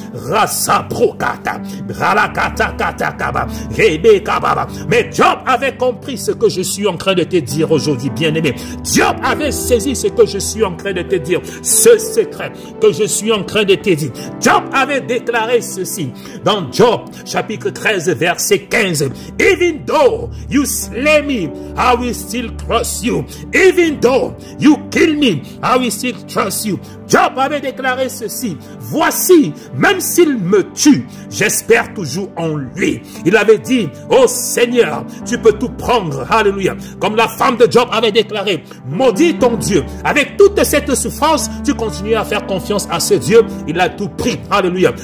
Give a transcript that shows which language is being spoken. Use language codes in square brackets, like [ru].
[fr] Rasa brokata, ralakata katakaba, rebe kababa. Mais Job avait compris ce que je suis en train de te dire aujourd'hui, bien-aimé. Job avait saisi ce que je suis en train de te dire, ce secret que je suis en train de te dire. Job avait déclaré ceci dans Job chapitre 13 verset 15. [en] Even though you slay me, I will still trust you. Even though you kill me, I will still trust you. [fr] Job avait déclaré ceci. Voici, même s'il me tue, j'espère toujours en lui. Il avait dit, oh Seigneur, tu peux tout prendre. Alléluia. Comme la femme de Job avait déclaré, maudit ton Dieu. Avec toute cette souffrance, tu continues à faire confiance à ce Dieu. Il a tout pris. Alléluia.